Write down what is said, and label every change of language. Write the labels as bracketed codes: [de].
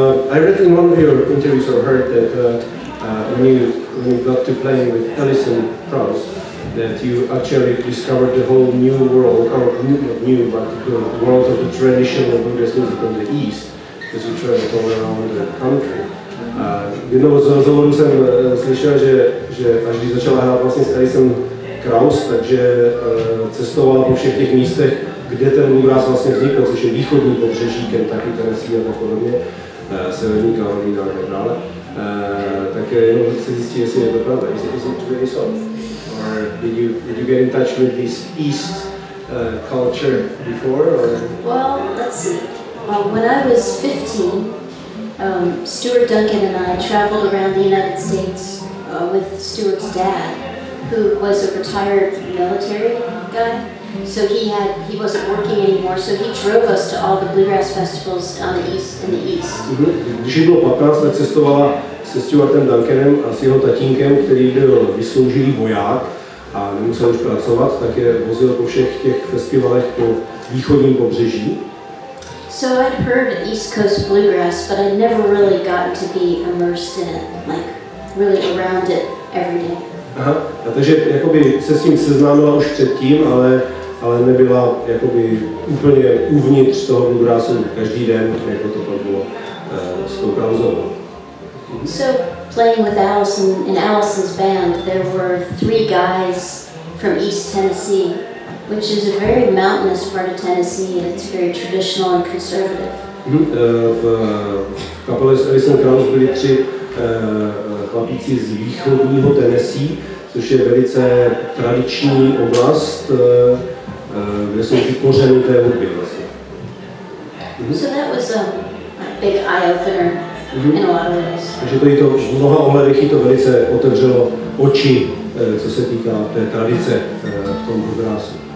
[en] I read in one of your interviews or heard that when you got to playing with Alison Krauss, that you actually discovered the whole new world, or not new, but the world of the traditional Buddhist music from the East, as you travel all around the country. [cs] Jednou z rozhovorů jsem slyšel, že až když začala hrát vlastně s Alison Krauss, takže cestovala po všech těch místech, kde ten bluegrass vlastně vznikl, což je východní pobřeží Kentucky, Tennessee a podobně, severní Karolína a tak dále. Tak jenom chci zjistit, jestli je to pravda, jestli to jsou tvé výsledky. [en] Or did you get in touch with this East culture before? Or? Well, let's see. When I was 15, Stuart Duncan and I traveled around the United States with Stuart's dad, who was a retired military guy. So he wasn't working anymore, so he drove us to all the bluegrass festivals on the east, in the east. [cs] Když bylo 15, tak cestovala se Stuartem Duncanem a s jeho tatínkem, který byl vysloužilý voják a nemusel už pracovat, tak je vozil po všech těch festivalech po východním pobřeží. [en] So I'd heard East Coast bluegrass, but I'd never really gotten to be immersed in it, like really around it every day. [cs] Aha, a takže jakoby se s tím seznámila už předtím, ale nebyla jakoby úplně uvnitř toho bluegrassu každý den, jako to pak bylo s tou Krausovou. [en] So playing with Allison in Allison's band, there were three guys from East Tennessee, which is a very mountainous part of Tennessee, and it's very traditional and conservative. [cs] V kapele s Allison Krauss byli tři chlapíci z východního Tennessee, což je velice tradiční oblast, kde jsou ty kořeny té hudby vlastně. [en] So that was a big eye-opener in a lot of ways. [cs] Takže to v mnoha ohledech to velice otevřelo oči, co se týká té tradice v tom bluegrassu.